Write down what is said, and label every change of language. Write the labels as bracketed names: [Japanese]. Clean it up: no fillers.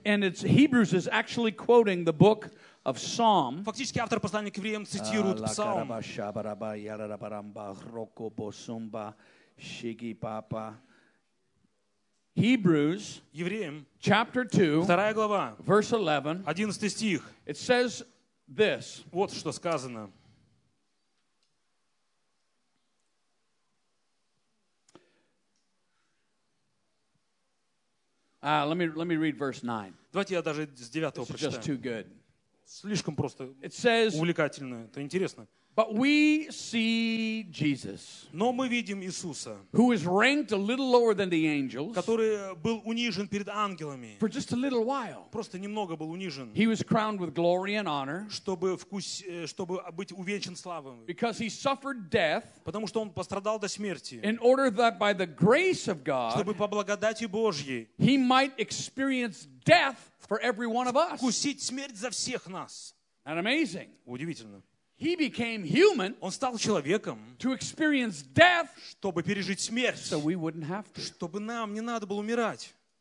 [English] And it's Hebrews is actually quoting the book of Psalm. [Russian] Фактически автор послания к евреям цитирует Псалм. Ла караба ша бараба яра барамба хроко босумба шиги папа. [English] Hebrews [Russian] евреям, [English] chapter 2. [Russian] Вторая глава. [English] Verse 11. [Russian] 11 стих. [English] It says this. [Russian] Вот что сказано. [English] Let me read verse 9. [Russian] Давайте я даже с 9 прочитаю. [English] It's just too good. [Russian] Слишком просто. [English] It says, [Russian] увлекательно. Это интересно. [English] But we see Jesus. [Russian] Но мы видим Иисуса. [English] Who is ranked a little lower than the angels. [Russian] Который был унижен перед ангелами. [English] For just a little while. [Russian] Просто немного был унижен. [English] He was crowned with glory and honor. [Russian] Чтобы быть увенчан славой. [English] Because he suffered death. [Russian] Потому что он пострадал до смерти. [English] In order that by the grace of God. [Russian] Чтобы по благодати Божьей. [English] He might experience death. For every one of us. [Russian] Вкусить смерть за всех нас. [English] And amazing. [Russian] Удивительно. [English] He became human. [Russian] Он стал человеком. [English] To experience death. [Russian] Чтобы пережить смерть. [English] So we wouldn't have to. [Russian] Чтобы нам не надо было умирать.